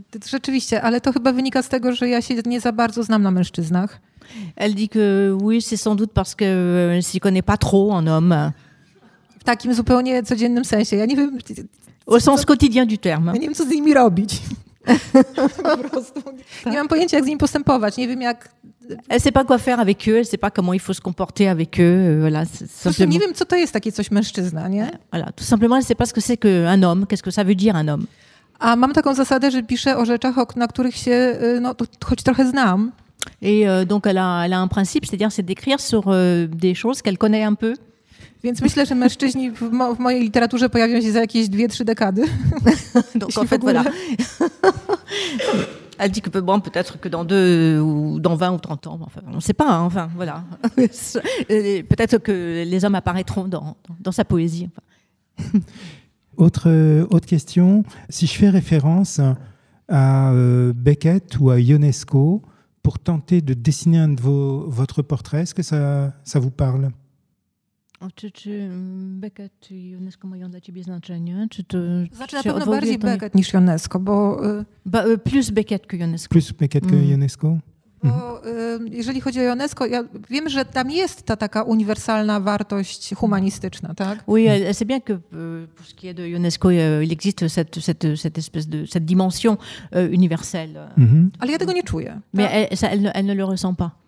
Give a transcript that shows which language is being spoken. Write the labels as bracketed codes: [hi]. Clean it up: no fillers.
[pl] Rzeczywiście, ale to chyba wynika z tego, że ja się nie za bardzo znam na mężczyznach. [fr] Elle dit que oui, c'est sans doute parce qu'elle ne s'y connaît pas trop en homme. [pl] W takim zupełnie codziennym sensie. Ja nie wiem, [fr] au sens quotidien du terme. [pl] Ja nie wiem, co z nimi robić. Po prostu. Tak. Nie mam pojęcia, jak z nimi postępować. Nie wiem, jak... [fr] Elle ne sait pas quoi faire avec eux, elle ne sait pas comment il faut se comporter avec eux. Voilà, simplement... [pl] Nie wiem, co to jest takie coś mężczyzna, nie? [fr] Voilà, tout simplement, elle ne sait pas ce que c'est qu'un homme, qu'est-ce que ça veut dire un homme. [pl] A mam taką zasadę, że piszę o rzeczach, na których się no, choć trochę znam. [fr] Et donc elle a un principe, c'est-à-dire c'est d'écrire sur des choses qu'elle connaît un peu. [pl] Więc myślę, że mężczyźni w mojej literaturze pojawią się za jakieś 2-3 dekady. [fr] Donc en fait voilà. Elle dit que bon peut-être que dans 2 ou dans 20 ou 30 ans, enfin on sait pas hein, enfin voilà. Peut-être que les hommes apparaîtront dans sa poésie enfin. Autre question, si je fais référence à Beckett ou à Ionesco pour tenter de dessiner un de votre portrait, est-ce que ça vous parle ? [pl] Czy Beckett i Ionesco mają dla ciebie znaczenie? Czy to, znaczy na pewno bardziej to... Beckett niż Ionesco, bo... [fr] Plus Beckett que Ionesco. Plus Beckett que Ionesco. [pl] Bo jeżeli chodzi o Ionesco, ja wiem, że tam jest ta taka uniwersalna wartość humanistyczna, tak? [fr] Oui, elle sait bien que pour ce qui est de Ionesco, il existe cette espèce de cette dimension universelle. [pl] Ale ja tego nie czuję. [fr] Mais elle ne le ressent pas.